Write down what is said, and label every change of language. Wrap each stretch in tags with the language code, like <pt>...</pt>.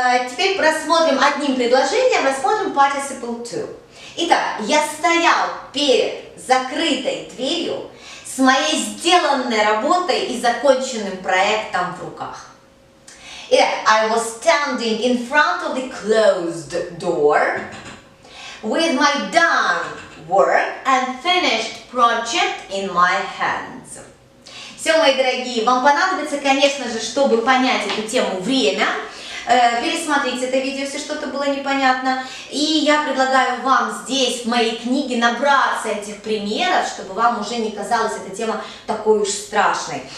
<ru>Теперь рассмотрим одним предложением, рассмотрим participle to. Итак, я стоял перед закрытой дверью с моей сделанной работой и законченным проектом в руках. Итак,</ru> <en>I was standing in front of the closed door with my done work and finished project in my hands.</en> <ru>Все, мои дорогие, вам понадобится, конечно же, чтобы понять эту тему, время. Пересмотрите это видео, если что-то было непонятно. И я предлагаю вам здесь, в моей книге, набраться этих примеров, чтобы вам уже не казалась эта тема такой уж страшной.</ru>